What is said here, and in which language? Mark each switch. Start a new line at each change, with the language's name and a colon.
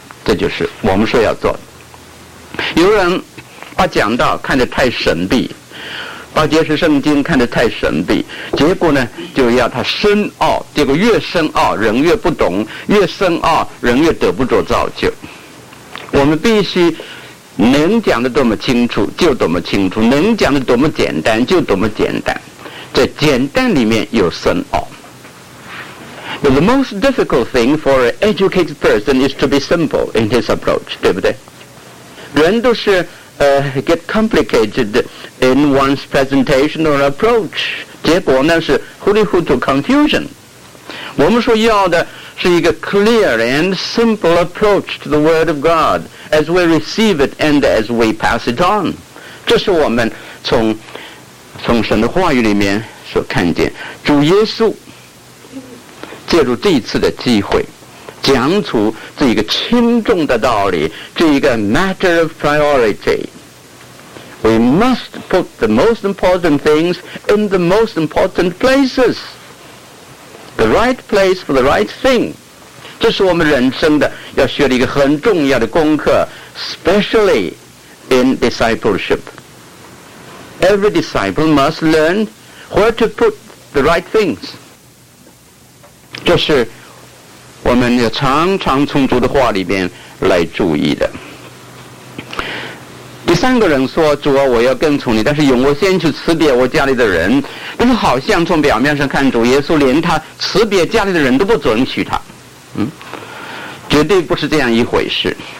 Chinese: 这就是我们说要做的。有人把讲道看得太神秘，把解释圣经看得太神秘，结果呢就要他深奥，结果越深奥人越不懂，越深奥人越得不着造就。我们必须能讲得多么清楚就多么清楚，能讲得多么简单就多么简单，在简单里面有深奥。
English: But the most difficult thing for an educated person is to be simple in his approach，
Chinese: 对不对？人都是
English: get complicated in one's presentation or approach，
Chinese: 结果呢是糊里糊涂 confusion。我们说要的是一个
English: clear and simple approach to the word of God as we receive it and as we pass it on。
Chinese: 这是我们从神的话语里面所看见，主耶稣借助这一次的机会讲出这一个轻重的道理，这一个
English: matter of priority。 We must put the most important things in the most important places， the right place for the right thing。
Chinese: 这是我们人生的要学的一个很重要的功课，
English: especially in discipleship。 Every disciple must learn where to put the right things。
Chinese: 这是我们要常常从主的话里边来注意的。第三个人说，主啊，我要跟从你，但是我先去辞别我家里的人。但是好像从表面上看，主耶稣连他辞别家里的人都不准许他，绝对不是这样一回事。